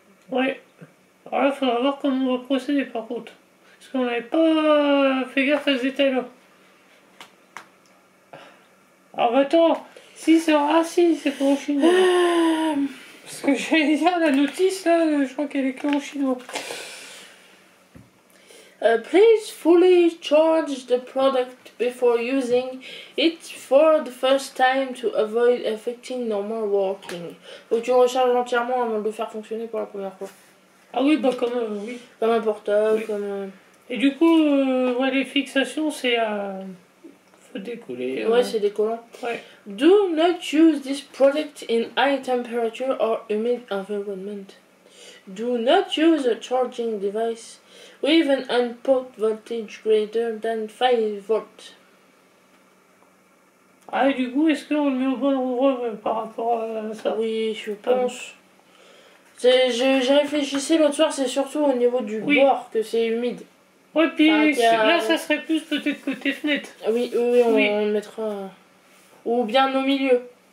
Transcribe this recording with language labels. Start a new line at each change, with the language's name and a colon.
French: Alors là, il faudra voir comment on va procéder, par contre. Parce qu'on n'avait pas fait gaffe à ce détail-là. Alors, attends. Si, c'est... Ah, si, c'est pour le chinois. Parce que j'allais dire, la notice, là, je crois qu'elle est que en chinois.
English: Please fully charge the product before using it for the first time to avoid affecting normal working.
French: Donc, tu recharges entièrement avant de le faire fonctionner pour la première fois. Ah oui, bah, comme... oui. Comme un portable, oui. Comme... Et du coup, ouais, les fixations, c'est à... faut décoller. Ouais, c'est décollant. Ouais.
English: Do not use this product in high temperature or humid environment. Do not use a charging device with an input voltage greater than 5 volts.
French: Ah, et du coup, est-ce qu'on le met au bon endroit par rapport à ça? Oui, je pense. J'ai réfléchissé l'autre soir, c'est surtout au niveau du bord que c'est humide. Ouais, puis enfin, là, ça serait plus peut-être côté fenêtre. Oui, on le mettra. Ou bien au milieu.